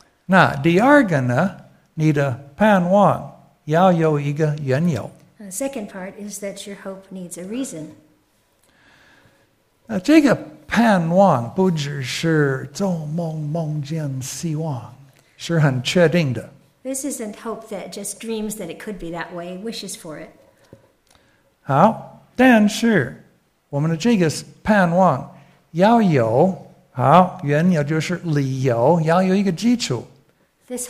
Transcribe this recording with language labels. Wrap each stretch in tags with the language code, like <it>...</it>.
<zh>那第二个呢，你的盼望要有一个缘由。</zh> <en>The second part is that your hope needs a reason.</en> <zh>这个盼望不只是做梦梦见希望，是很确定的。</zh> <en>This isn't hope that just dreams that it could be that way, wishes for it.</en> <zh>好，但是我们的这个盼望要有，好，缘由就是理由，要有一个基础。</zh> <en>This</en>